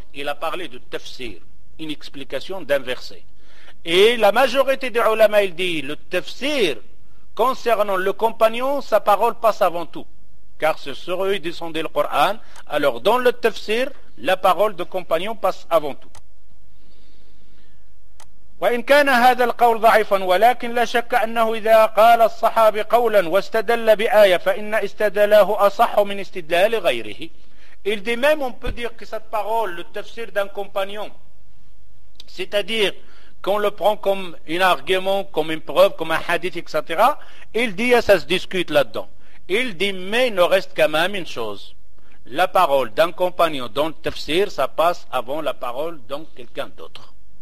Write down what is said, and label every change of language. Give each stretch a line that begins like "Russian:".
French: Il a parlé de tafsir, une explication d'un verset. Et la majorité des ulama, il dit, le tafsir, concernant le compagnon, sa parole passe avant tout. Car ce sera eux descendait le Coran. Alors, dans le tafsir, la parole de compagnon passe avant tout.
Arabic: وإن كان هذا القول ضعيفا ولكن لا شك أنه إذا قال الصحابي قولا واستدل بآية فإن استدلاله أصح من استدلال غيره.
French: Il dit, même on peut dire que cette parole, le tafsir d'un compagnon, c'est-à-dire qu'on le prend comme un argument, comme une preuve, comme un hadith, etc. Il dit, ça se discute là-dedans. Il dit, mais il ne reste quand même une chose. La parole d'un compagnon dans le tafsir, ça passe avant la parole de quelqu'un d'autre.